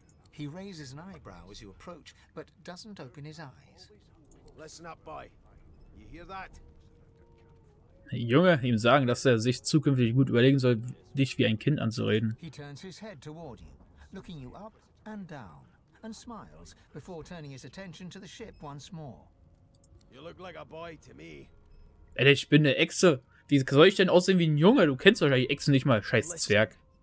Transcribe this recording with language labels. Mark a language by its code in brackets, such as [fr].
[en] He raises an eyebrow as you approach, but doesn't open his eyes. Listen up, boy. You hear that? [de] Junge, ihm sagen, dass er sich zukünftig gut überlegen soll, dich wie ein Kind anzureden. [en] He turns his head toward you, looking you up and down, and smiles before turning his attention to the ship once more. You look like a boy to me. [de] Ey, ich bin eine Echse. Wie soll ich denn aussehen wie ein Junge? Du kennst wahrscheinlich Echsen nicht mal, scheiß Zwerg.